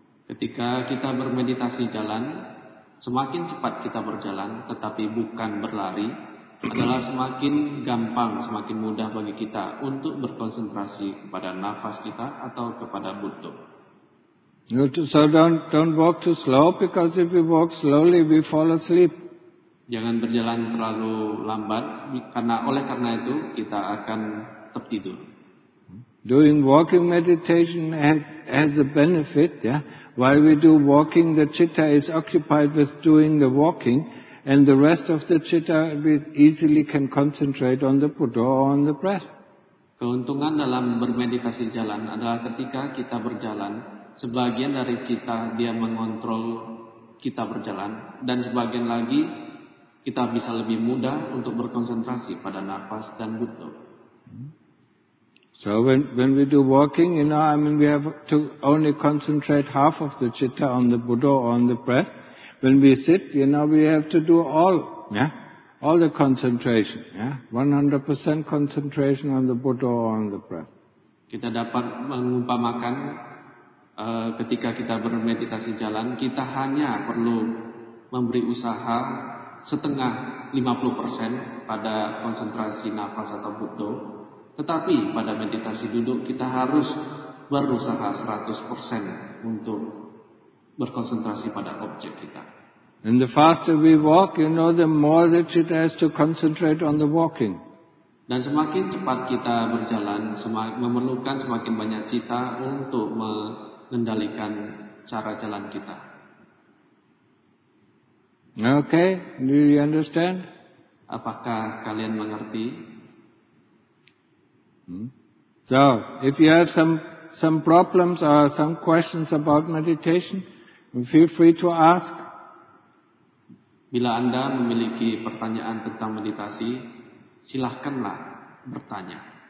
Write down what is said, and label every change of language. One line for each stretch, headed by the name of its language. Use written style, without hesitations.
Indonesian: Ketika kita bermeditasi jalan, semakin cepat kita berjalan, tetapi bukan berlari, adalah semakin gampang, semakin mudah bagi kita untuk berkonsentrasi kepada nafas kita atau kepada Buddha.
English: So don't walk too slow, because if we walk slowly, we fall asleep.
Indonesian: Jangan berjalan terlalu lambat, karena itu kita akan tertidur.
English: Doing walking meditation has a benefit, yeah. While we do walking, the citta is occupied with doing the walking, and the rest of the citta we easily can concentrate on the Buddha or on the breath.
Indonesian: Keuntungan dalam bermeditasi jalan adalah ketika kita berjalan, sebagian dari citta dia mengontrol kita berjalan, dan sebagian lagi kita bisa lebih mudah untuk berkonsentrasi pada nafas dan Buddha.
English: So when we do walking, you know, I mean we have to only concentrate half of the citta on the Buddha or on the breath. When we sit, you know, we have to do all the concentration, 100% concentration on the Buddha or on the breath.
Indonesian: Kita dapat mengumpamakan ketika kita bermeditasi jalan, kita hanya perlu memberi usaha setengah 50% pada konsentrasi nafas atau Buddha, tetapi pada meditasi duduk kita harus berusaha 100% untuk berkonsentrasi pada objek kita.
English: And the faster we walk, you know, the more the citta has to concentrate on the walking.
Indonesian: Dan semakin cepat kita berjalan, memerlukan semakin banyak citta untuk mengendalikan cara jalan kita.
English: Okay, do you understand?
Indonesian: Apakah kalian mengerti?
English: So, if you have some problems or some questions about meditation, feel free to ask.
Indonesian: Bila Anda memiliki pertanyaan tentang meditasi, silakanlah bertanya.